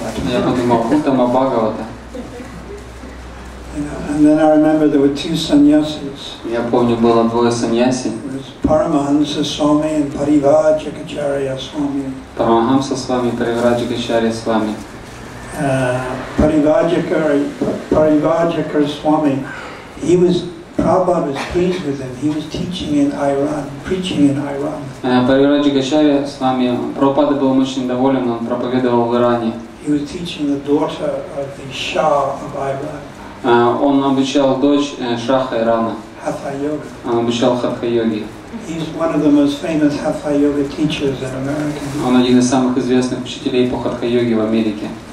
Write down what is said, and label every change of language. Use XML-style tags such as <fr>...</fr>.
<ru>Я подумал, Бхутама Бхагавата.</ru> <en>And then I remember there were two sannyasis.</en> <ru>Я помню, было двое саньяси.</ru> <en>Paramahamsa Swami and Parivrajakacharya Swami.</en> <ru>Paramahamsa Swami, Parivrajakacharya Swami.</ru> <en>Parivrajakacharya Swami. He was Prabhupada was pleased with him. He was teaching in Iran, preaching in Iran.</en> <ru>Parivrajakacharya Swami, Prabhupada был очень доволен, он проповедовал в Иране.</ru> <en>He was teaching the daughter of the Shah of Iran.</en> <ru>Он обучал дочь Шаха Ирана. Он обучал хатха-йоги. Он один из самых известных учителей по хатха-йоге в Америке.</ru>